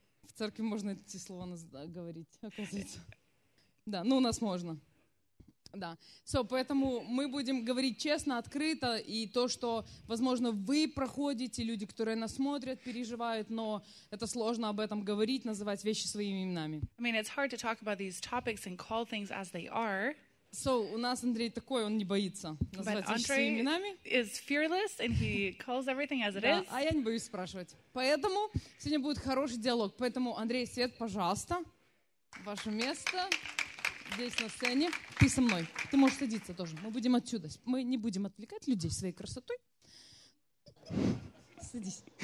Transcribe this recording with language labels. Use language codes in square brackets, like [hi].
[ru] В церкви можно эти слова говорить, оказывается. Да, у нас можно. Да. So, поэтому мы будем говорить честно, открыто, и то, что, возможно, вы проходите, люди, которые нас смотрят, переживают, но это сложно об этом говорить, называть вещи своими именами. [en] I mean, it's hard to talk about these topics and call things as they are. [ru] So, у нас Андрей такой, он не боится называть вещи своими именами. [en] But Andrei is fearless, and he calls everything as it is. [ru] А я не боюсь спрашивать. Поэтому сегодня будет хороший диалог. Поэтому, Андрей, Свет, пожалуйста, ваше место. Здесь на сцене. Ты со мной. Ты можешь садиться тоже. Мы будем отсюда. Мы не будем отвлекать людей своей красотой. Садись.